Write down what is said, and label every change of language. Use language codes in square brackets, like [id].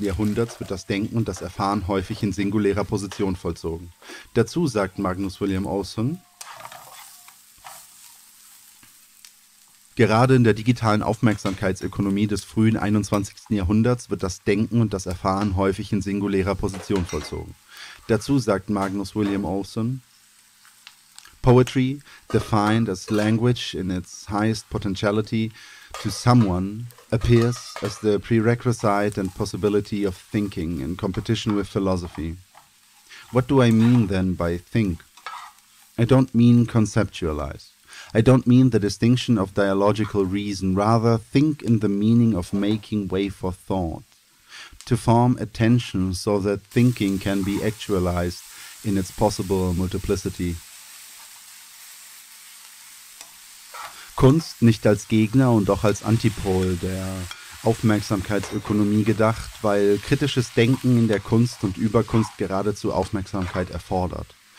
[de] Jahrhunderts wird das Denken und das Erfahren häufig in singulärer Position vollzogen. Dazu sagt Magnus William Olson: Gerade in der digitalen Aufmerksamkeitsökonomie des frühen 21. Jahrhunderts wird das Denken und das Erfahren häufig in singulärer Position vollzogen. [en] Dazu sagt Magnus William Olson: Poetry, defined as language in its highest potentiality to someone, appears as the prerequisite and possibility of thinking in competition with philosophy. What do I mean then by think? I don't mean conceptualize. I don't mean the distinction of dialogical reason, rather think in the meaning of making way for thought, to form attention so that thinking can be actualized in its possible multiplicity. [de] Kunst, nicht als Gegner und doch als Antipol der Aufmerksamkeitsökonomie gedacht, weil kritisches Denken in der Kunst und über Kunst geradezu Aufmerksamkeit erfordert.